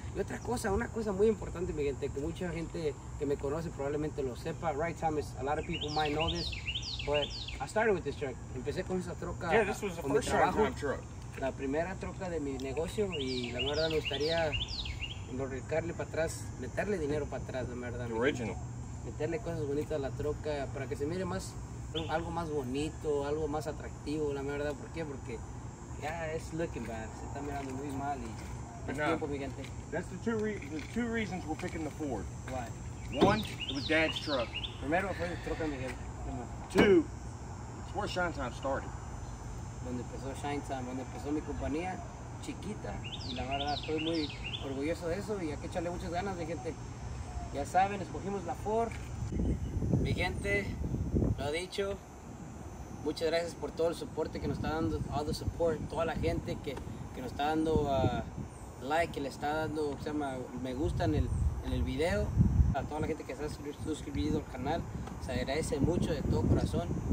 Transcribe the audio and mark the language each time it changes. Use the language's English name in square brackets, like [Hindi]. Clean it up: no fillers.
[Spanish] Y otra cosa, una cosa muy importante, mi gente, que mucha gente que me conoce probablemente lo sepa. [English] Right, Thomas? A lot of people might know this, but I started with this truck. [Spanish] Empecé con esa troca. [English] Yeah, this was the first time I drove truck. [Spanish] La primera troca de mi negocio y la verdad me gustaría recarle para atrás, meterle dinero para atrás, de verdad. [English] Original. [Spanish] Meterle cosas bonitas a la troca para que se mire más, algo más bonito, algo más atractivo, la verdad. ¿Por qué? Porque ya es [English] looking bad, [Spanish] se está mirando muy mal y es tiempo, mi gente. [English] That's the two reasons we're picking the Ford. Why? One, it was Dad's truck. [Spanish] Primero fue la troca, mi gente. [English] Two, it's where Shine Time started. [Spanish] Donde empezó Shine Time, donde empezó mi compañía chiquita y la verdad estoy muy orgulloso de eso y hay que echarle muchas ganas, mi gente. Ya saben, escogimos la Ford. Mi gente, lo dicho, muchas gracias por todo el soporte que nos está dando, [English] all the support, [Spanish] toda la gente que nos está dando like, que le está dando, o sea, me gusta en el video, a toda la gente que está suscribido al canal, se agradece mucho de todo corazón.